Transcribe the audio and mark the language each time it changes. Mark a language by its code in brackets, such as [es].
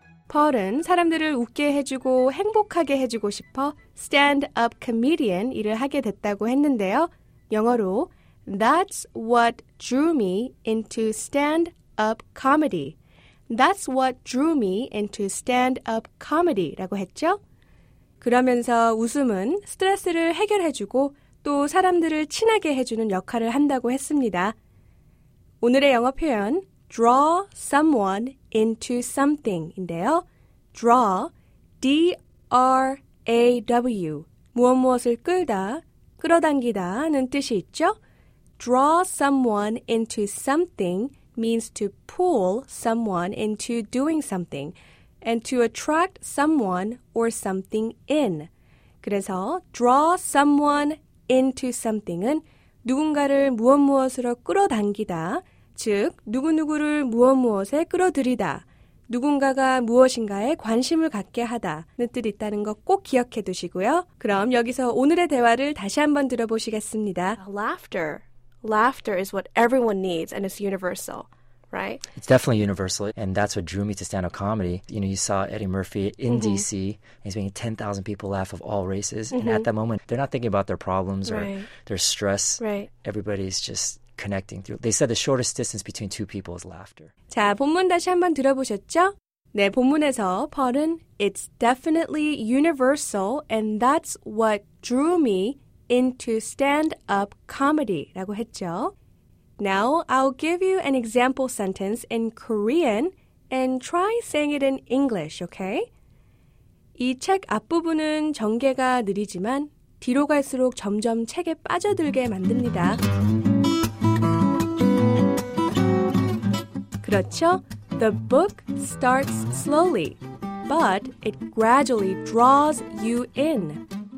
[ko] 펄은 사람들을 웃게 해주고 행복하게 해주고 싶어 stand-up comedian 일을 하게 됐다고 했는데요. 영어로 [en] That's what drew me into stand-up comedy. That's what drew me into stand-up comedy [ko] 라고 했죠. 그러면서 웃음은 스트레스를 해결해주고 또 사람들을 친하게 해주는 역할을 한다고 했습니다. 오늘의 영어 표현 [en] draw someone into something [ko] 인데요. draw, D-R-A-W, 무엇무엇을 끌다, 끌어당기다는 뜻이 있죠. [en] draw someone into something means to pull someone into doing something and to attract someone or something in. [ko] 그래서 [en] draw someone into something [ko] 은 누군가를 무엇무엇으로 끌어당기다, 즉, 누구누구를 무엇무엇에 끌어들이다, 누군가가 무엇인가에 관심을 갖게 하다는 뜻이 있다는 거 꼭 기억해 두시고요. 그럼 여기서 오늘의 대화를 다시 한번 들어보시겠습니다. [en] Laughter. Laughter is what everyone needs and it's universal. Right? It's definitely universal, and that's what drew me to stand-up comedy. You know, you saw Eddie Murphy in D.C., and he's making 10,000 people laugh of all races. And at that moment, they're not thinking about their problems or their stress. Right. Everybody's just connecting through. They said the shortest distance between two people is laughter. [ko] 자, 본문 다시 한번 들어보셨죠? 네, 본문에서 펄은 [en] It's definitely universal, and that's what drew me into stand-up comedy [ko] 라고 했죠. [en] Now, I'll give you an example sentence in Korean and try saying it in English, okay? [ko] 이 책 앞부분은 전개가 느리지만 뒤로 갈수록 점점 책에 빠져들게 만듭니다. 그렇죠? [en] The book starts slowly, but it gradually draws you in.